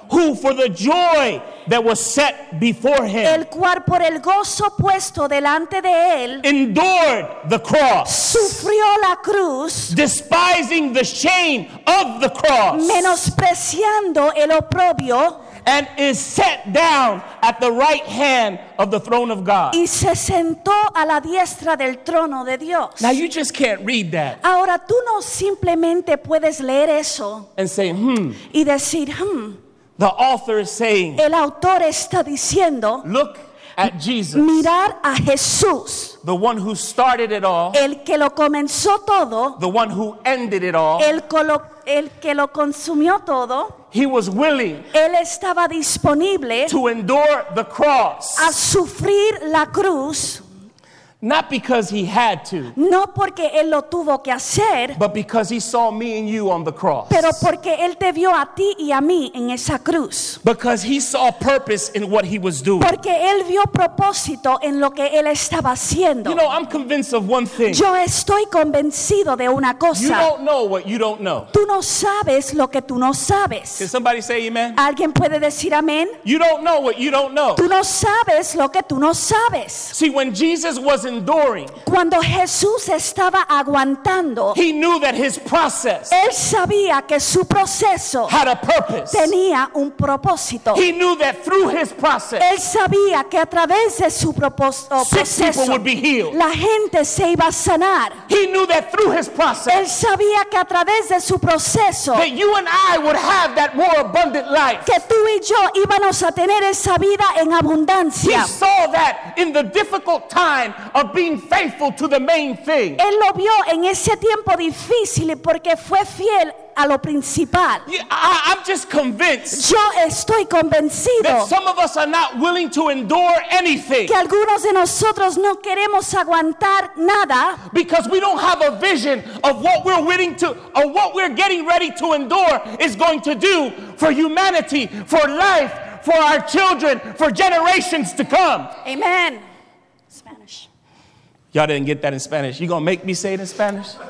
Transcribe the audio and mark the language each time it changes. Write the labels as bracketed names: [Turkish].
[English] Who for the joy that was set before him. [Spanish] El cual por el gozo puesto delante de él. [English] Endured the cross. [Spanish] Sufrió la cruz. [English] Despising the shame of the cross. [Spanish] Menospreciando el oprobio. [English] And is set down at the right hand of the throne of God. [Spanish] Y se sentó a la diestra del trono de Dios. [English] Now you just can't read that. [Spanish] Ahora tú no simplemente puedes leer eso. [English] And say, hmm. [Spanish] Y decir, hmm. [English] The author is saying. [Spanish] El autor está diciendo. [English] Look at Jesus. [Spanish] Mirar a Jesús. [English] The one who started it all. [Spanish] El que lo comenzó todo. [English] The one who ended it all. [Spanish] El que lo consumió todo. [English] He was willing. [Spanish] Él estaba disponible. [English] To endure the cross. [Spanish] A sufrir la cruz. [English] Not because he had to. [Spanish] No porque él lo tuvo que hacer. [English] But because he saw me and you on the cross. [Spanish] Pero porque él te vio a ti y a mí en esa cruz. [English] Because he saw purpose in what he was doing. [Spanish] Porque él vio propósito en lo que él estaba haciendo. [English] You know, I'm convinced of one thing. [Spanish] Yo estoy convencido de una cosa. [English] You don't know what you don't know. [Spanish] Tú no sabes lo que tú no sabes. [English] Can somebody say amen? [Spanish] ¿Alguien puede decir amén? [English] You don't know what you don't know. [Spanish] Tú no sabes lo que tú no sabes. [English] See, when Jesus was enduring. [Spanish] Cuando Jesús estaba aguantando, [English] he knew that his process. [Spanish] Él sabía que su proceso [English] had a purpose. [Spanish] Tenía un propósito. [English] He knew that through his process. [Spanish] Él sabía que a través de su proceso, [English] sick people would be healed. [Spanish] La gente se iba a sanar. [English] He knew that through his process. [Spanish] Él sabía que a través de su proceso, [English] that you and I would have that more abundant life. [Spanish] Que tú y yo íbamos a tener esa vida en abundancia. [English] He saw that in the difficult time of being faithful to the main thing. [Spanish] Él lo vio en ese tiempo difícil porque fue fiel a lo principal. [English] I'm just convinced. [Spanish] Yo estoy convencido. [English] That some of us are not willing to endure anything. [Spanish] Que algunos de nosotros no queremos aguantar nada. [English] Because we don't have a vision of what we're willing to, or what we're getting ready to endure is going to do for humanity, for life, for our children, for generations to come. Amen. Y'all didn't get that in Spanish. You gonna make me say it in Spanish?